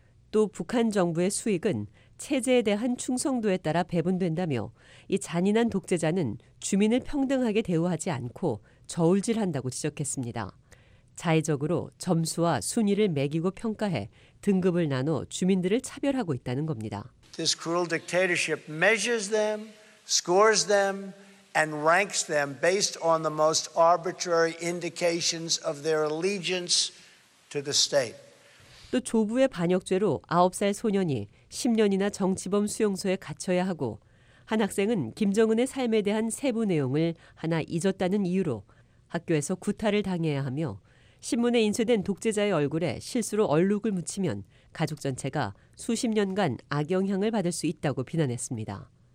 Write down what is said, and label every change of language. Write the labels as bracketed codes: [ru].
[ko] 또 북한 정부의 수익은 체제에 대한 충성도에 따라 배분된다며 이 잔인한 독재자는 주민을 평등하게 대우하지 않고 저울질한다고 지적했습니다. 자의적으로 점수와 순위를 매기고 평가해 등급을 나눠 주민들을 차별하고 있다는 겁니다. [en] This cruel dictatorship measures them, scores them, and ranks them based on the most arbitrary indications of their allegiance to the state. [ko] 또 조부의 반역죄로 9살 소년이 10년이나 정치범 수용소에 갇혀야 하고 한 학생은 김정은의 삶에 대한 세부 내용을 하나 잊었다는 이유로 학교에서 구타를 당해야 하며 신문에 인쇄된 독재자의 얼굴에 실수로 얼룩을 묻히면 가족 전체가 수십 년간 악영향을 받을 수 있다고 비난했습니다.